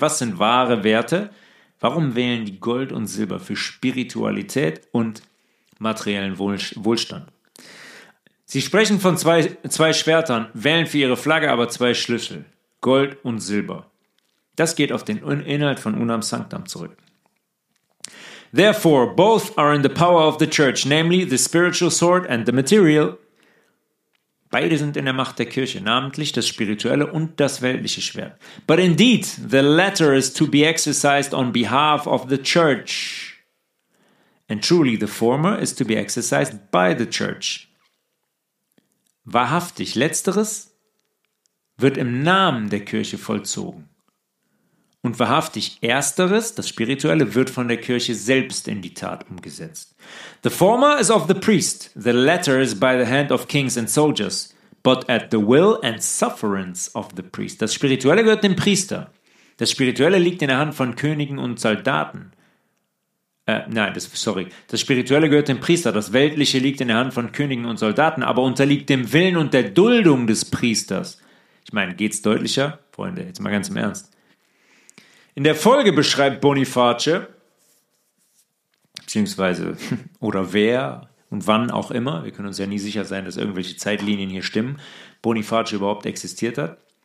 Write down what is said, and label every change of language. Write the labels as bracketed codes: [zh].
[de] Was sind wahre Werte? Warum wählen die Gold und Silber für Spiritualität und materiellen Wohlstand? Sie sprechen von zwei Schwertern, wählen für ihre Flagge aber zwei Schlüssel, Gold und Silber. Das geht auf den Inhalt von Unam Sanctam zurück. [en] Therefore, both are in the power of the church, namely the spiritual sword and the material. [de] Beide sind in der Macht der Kirche, namentlich das spirituelle und das weltliche Schwert. [en] But indeed, the latter is to be exercised on behalf of the church. And truly, the former is to be exercised by the church. [de] Wahrhaftig, letzteres wird im Namen der Kirche vollzogen. Und wahrhaftig, ersteres, das spirituelle, wird von der Kirche selbst in die Tat umgesetzt. [en] The former is of the priest, the latter is by the hand of kings and soldiers, but at the will and sufferance of the priest. [de] Das spirituelle gehört dem Priester. Das spirituelle liegt in der Hand von Königen und Soldaten. Das spirituelle gehört dem Priester, das weltliche liegt in der Hand von Königen und Soldaten, aber unterliegt dem Willen und der Duldung des Priesters. Ich meine, geht's deutlicher? Freunde, jetzt mal ganz im Ernst. In der Folge beschreibt Boniface, beziehungsweise oder wer und wann auch immer, wir können uns ja nie sicher sein, dass irgendwelche Zeitlinien hier stimmen, Boniface überhaupt existiert hat.